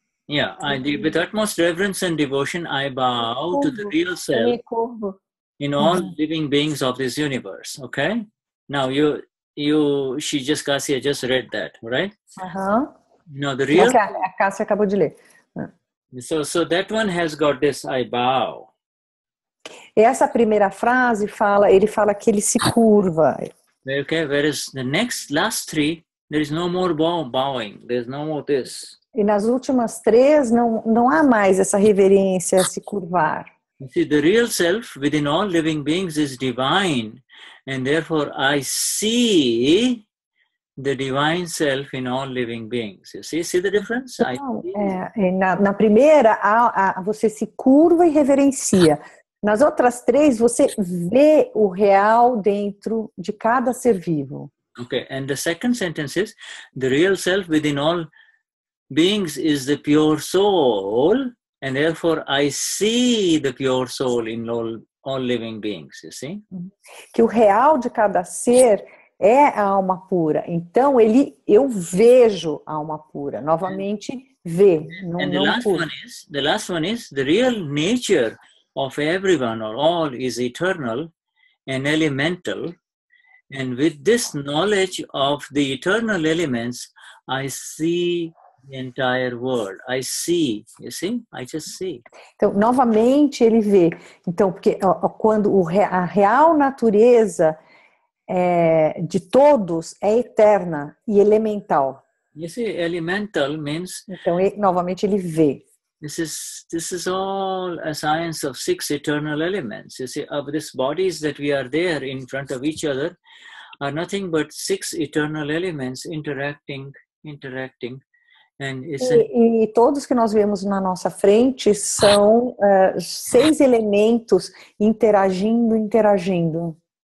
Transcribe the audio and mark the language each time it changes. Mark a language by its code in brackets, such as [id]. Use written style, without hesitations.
[en] Yeah, with utmost reverence and devotion, I bow to the real self in all living beings of this universe, okay? Now, Cássia just read that, right? Uh-huh. Now, the real... [pt] A Cássia acabou de ler. [en] So that one has got this, I bow. [pt] Essa primeira frase fala, ele fala que ele se curva. [en] Okay, whereas the next, last three, there is no more bowing, there is no more this. [pt] E nas últimas três, não há mais essa reverência, se curvar. [en] You see, the real self within all living beings is divine, and therefore I see the divine self in all living beings. You see the difference? [pt] Então, na primeira, você se curva e reverencia. Nas outras três, você vê o real dentro de cada ser vivo. [en] Okay, and the second sentence is, the real self within all beings is the pure soul, and therefore I see the pure soul in all living beings, you see? [pt] Que o real de cada ser é a alma pura. Então, eu vejo a alma pura. Novamente, vê. [en] The last one is, the real nature of everyone or all is eternal and elemental, and with this knowledge of the eternal elements, I see the entire world. I see, you see? I just see. [pt] Então, novamente ele vê. Então, porque quando a real natureza de todos é eterna e elemental. [en] You see, elemental means... [pt] Então, novamente ele vê. [en] This is all a science of six eternal elements. You see, of these bodies that we are there in front of each other are nothing but six eternal elements interacting. [pt] E todos que nós vemos na nossa frente são seis elementos interagindo.